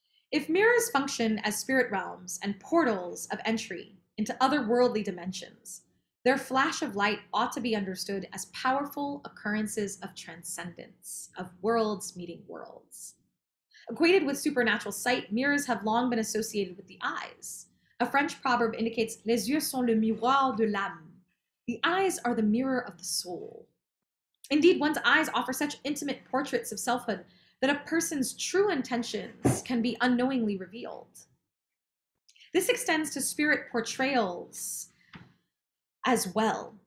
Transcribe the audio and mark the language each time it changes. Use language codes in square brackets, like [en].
[en] If mirrors function as spirit realms and portals of entry into otherworldly dimensions, their flash of light ought to be understood as powerful occurrences of transcendence, of worlds meeting worlds. Equated with supernatural sight, mirrors have long been associated with the eyes. A French proverb indicates, [fr] les yeux sont le miroir de l'âme. [en] The eyes are the mirror of the soul. Indeed, one's eyes offer such intimate portraits of selfhood that a person's true intentions can be unknowingly revealed. This extends to spirit portrayals as well.